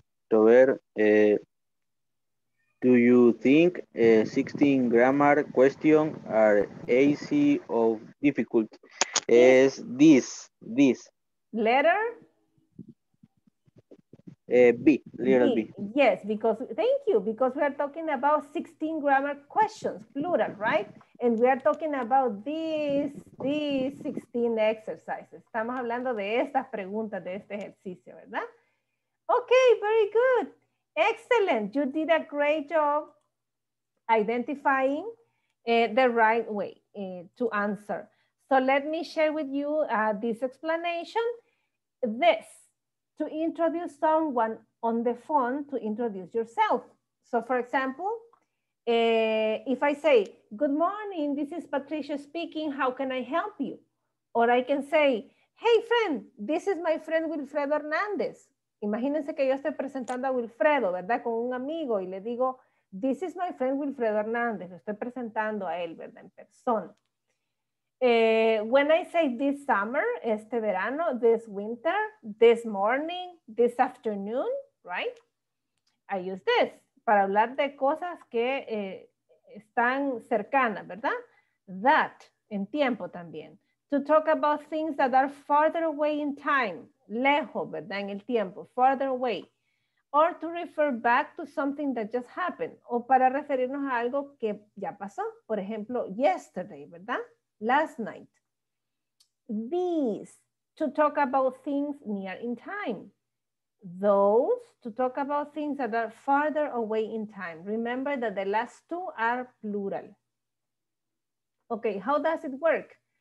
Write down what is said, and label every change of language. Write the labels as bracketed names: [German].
[English] Robert, do you think 16 grammar questions are easy or difficult? Is this letter B, little B. B? Yes, because thank you. Because we are talking about 16 grammar questions, plural, right? And we are talking about these 16 exercises. [Spanish] Estamos hablando de estas preguntas de este ejercicio, ¿verdad? [English] Okay, very good. Excellent. You did a great job identifying the right way to answer. So let me share with you this explanation. This, to introduce someone on the phone, to introduce yourself. So for example, if I say, good morning, this is Patricia speaking, how can I help you? Or I can say, hey friend, this is my friend Wilfredo Hernandez. [Spanish] Imagínense que yo estoy presentando a Wilfredo, ¿verdad? Con un amigo y le digo, [English] this is my friend Wilfredo Hernández. [Spanish] Lo estoy presentando a él, ¿verdad? En persona. [English] When I say this summer, [Spanish] este verano, [English] this winter, this morning, this afternoon, right? I use this [Spanish] para hablar de cosas que están cercanas, ¿verdad? [English] That, [Spanish] en tiempo también. [English] To talk about things that are farther away in time, [Spanish] lejos, ¿verdad? En el tiempo, [English] farther away. Or to refer back to something that just happened. [Spanish] O para referirnos a algo que ya pasó. Por ejemplo, yesterday, ¿verdad? [English] Last night. These, to talk about things near in time. Those, to talk about things that are farther away in time. Remember that the last two are plural. Okay, how does it work?